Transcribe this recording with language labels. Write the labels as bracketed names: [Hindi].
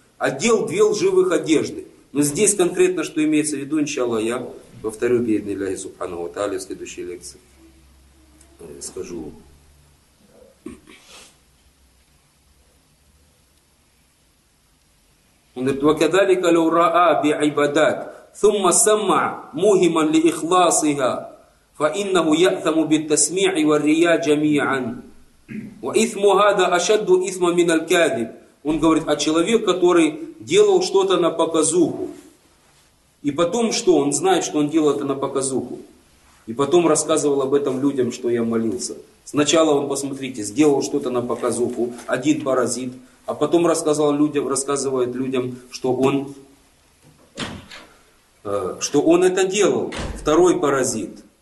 [Russian] Одел две лживых одежды. Но здесь конкретно что имеется в виду, иншаллах, я повторю бейдни ляхи субхану ва тааля в следующей лекции. Скажу. Он говорит, [Arabic] вакадалика ля ураа би айбадат, сумма самма мухиман ли ихласига. فإنه يأثم بالتسميع والرياء جميعا وإثم هذا أشد إثما من الكاذب. [Russian] Он говорит, а человек, который делал что-то на показуху, и потом что? Он знает, что он делал это на показуху, и потом рассказывал об этом людям, что я молился. Сначала он, посмотрите, сделал что-то на показуху, один паразит, а потом рассказывает людям, что он это делал, второй паразит.